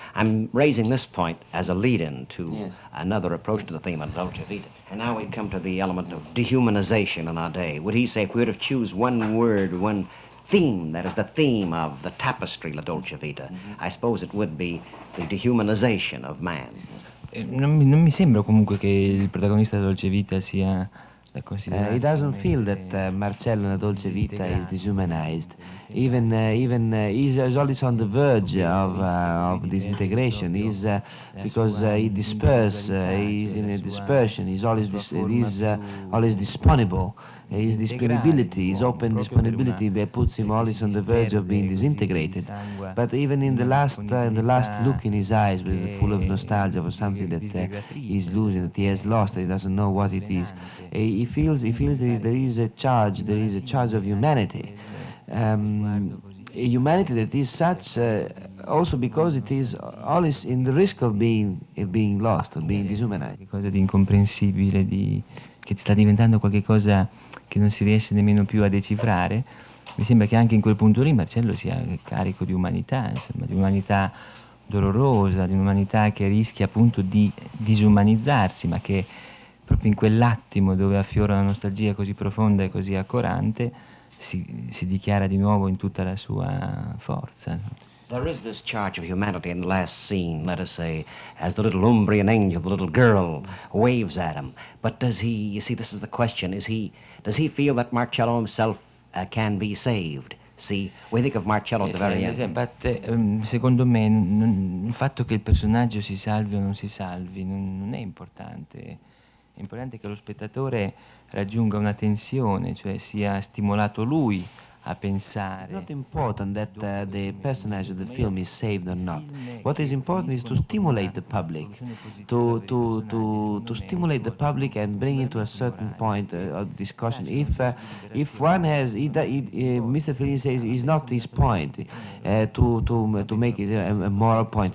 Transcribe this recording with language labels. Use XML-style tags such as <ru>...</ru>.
<en>I'm raising this point as a lead-in to another approach to the theme of Dolce Vita. And now we come to the element of dehumanization in our day. Would he say, if we were to choose one word, one theme, that is the theme of the tapestry, La Dolce Vita, I suppose it would be the dehumanization of man.</en> <it>Non mi sembra comunque che il protagonista della Dolce Vita sia da considerare.</it> <en>He doesn't feel that Marcello nella Dolce Vita is dehumanized. Even he's always on the verge of disintegration. He's because he disperses. He's in a dispersion. He's always disponible. His disponibility, his open disponibility, puts him always on the verge of being disintegrated. But even in the last look in his eyes, with full of nostalgia for something that he's losing, that he has lost, that he doesn't know what it is, he feels that there is a charge of humanity. A humanity that is such also because it is always in the risk of being lost, of being disumanized.</en> <it>Qualcosa di incomprensibile, di che sta diventando qualcosa che non si riesce nemmeno più a decifrare. Mi sembra che anche in quel punto lì Marcello sia carico di umanità, insomma, di umanità dolorosa, di un'umanità che rischia appunto di disumanizzarsi, ma che proprio in quell'attimo dove affiora una nostalgia così profonda e così accorante si dichiara di nuovo in tutta la sua forza.</it> <en>There is this charge of humanity in the last scene, let us say, as the little Umbrian angel, the little girl, waves at him. But does he, you see, this is the question, does he feel that Marcello himself can be saved? See, we think of Marcello at the very end.</en> <it>But secondo me il fatto che il personaggio si salvi o non si salvi non è importante. È importante che lo spettatore raggiunga una tensione, cioè sia stimolato lui a pensare.</it> <en>It's not important that the personage of the film is saved or not. What is important is to stimulate the public, to stimulate the public and bring it to a certain point of discussion. If one has, Mr. Fellini says, is not his point to make it a moral point.</en>